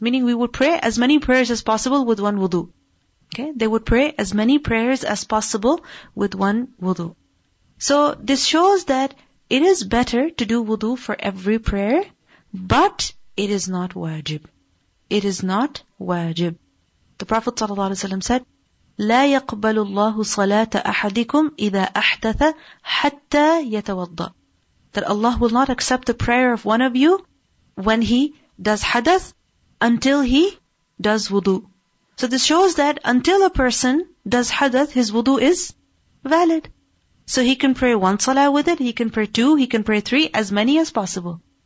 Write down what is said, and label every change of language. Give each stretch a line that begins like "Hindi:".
English: Meaning we would pray as many prayers as possible with one wudu. Okay, they would pray as many prayers as possible with one wudu. So this shows that it is better to do wudu for every prayer, but it is not wajib. It is not wajib. The Prophet ﷺ said,
Arabic: لا يقبل الله صلاة أحدكم إذا أحدث حتى يتوضأ.
English: That Allah will not accept the prayer of one of you when he does hadith until he does wudu. So this shows that until a person does hadith, his wudu is valid. So he can pray one salah with it, he can pray two, he can pray three, as many as possible.